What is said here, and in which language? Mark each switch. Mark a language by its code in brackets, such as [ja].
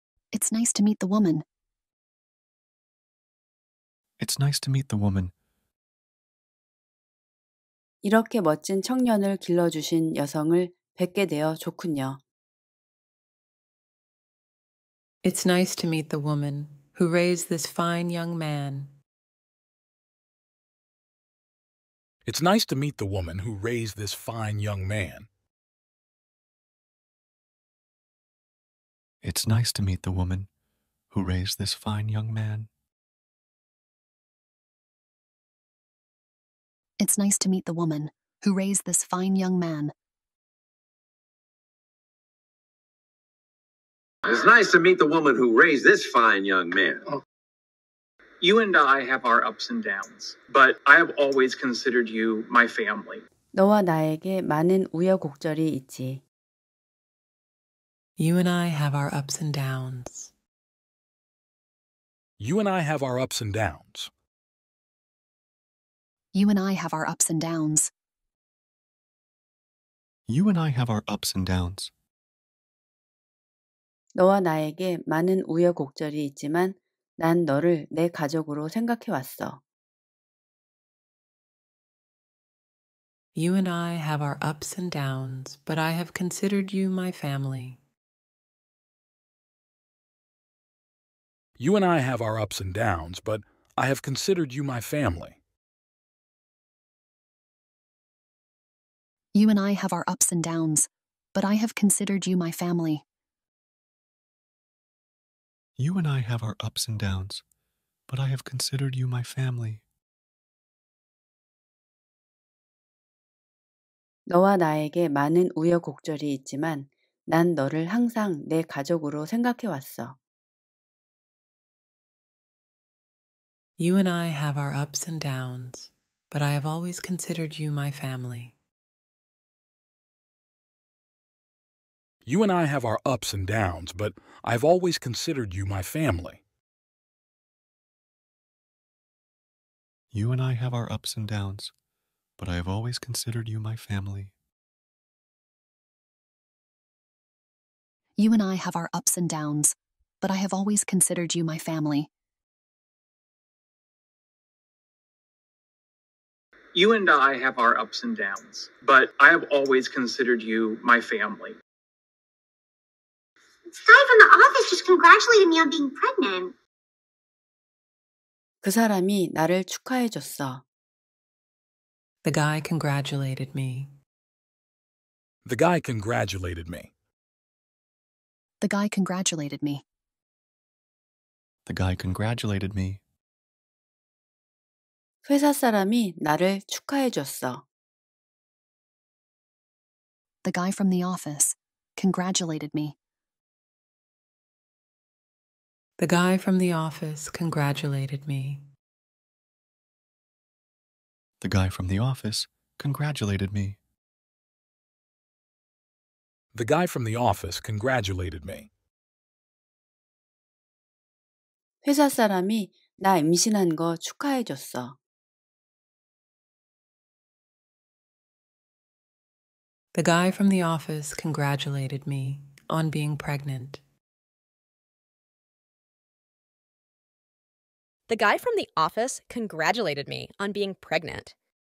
[en] It's nice to meet the woman. It's nice to meet the woman. [ko] 이렇게 멋진 청년을 길러주신 여성을 뵙게 되어 좋군요. [en] It's nice to meet the woman who raised this fine young man. It's nice to meet the woman who raised this fine young man. It's nice to meet the woman who raised this fine young man. It's nice to meet the woman who raised this fine young man. It's nice to meet the woman who raised this fine young man. You and I have our ups and downs, but I have always considered you my family. [ko] 너와 나에게 많은 우여곡절이 있지. [en] You and I have our ups and downs. You and I have our ups and downs. You and I have our ups and downs. You and I have our ups and downs. [ko] 너와 나에게 많은 우여곡절이 있지만 난 너를 내 가족으로 생각해 왔어. [en] You and I have our ups and downs, but I have considered you my family. You and I have our ups and downs, but I have considered you my family. You and I have our ups and downs, but I have considered you my family. You and I have our ups and downs, but I have considered you my family. [ko] 너와 나에게 많은 우여곡절이 있지만 난 너를 항상 내 가족으로 생각해 왔어. [en] You and I have our ups and downs, but I have always considered you my family. You and I have our ups and downs, but I've always considered you my family. You and I have our ups and downs, but I have always considered you my family. You and I have our ups and downs, but I have always considered you my family. You and I have our ups and downs, but I have always considered you my family. This guy from the office just congratulated me on being pregnant. [ko] 그 사람이 나를 축하해 줬어. [en] The guy congratulated me. The guy congratulated me. The guy congratulated me. The guy congratulated me. [ko] 회사 사람이 나를 축하해 줬어. [en] The guy from the office congratulated me. The guy from the office congratulated me. The guy from the office congratulated me. The guy from the office congratulated me. [ko] 회사 사람이 나 임신한 거 축하해 줬어. [en] The guy from the office congratulated me on being pregnant. The guy from the office congratulated me on being pregnant.